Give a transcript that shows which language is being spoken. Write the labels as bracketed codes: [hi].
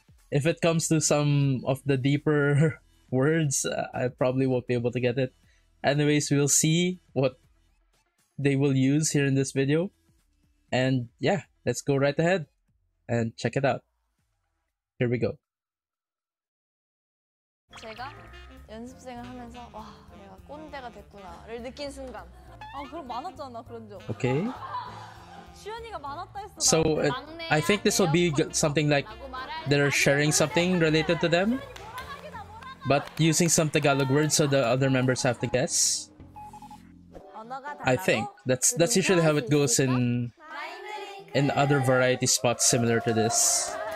[en] If it comes to some of the deeper words, I probably won't be able to get it. Anyways, we'll see what they will use here in this video. And yeah, let's go right ahead and check it out. Here we go. [ko] 제가 연습생을 하면서 와 내가 꼰대가 됐구나를 느낀 순간. 아 그럼 많았잖아 그런 적. [en] Okay. [ko] 주현이가 많았다 했어. [en] So it, [ko] 막내야, [en] I think this will be something like they're sharing something related to them, but using some Tagalog words so the other members have to guess. [ko] 언어가 달라도, [en] I think that's usually how it goes in other variety spots similar to this.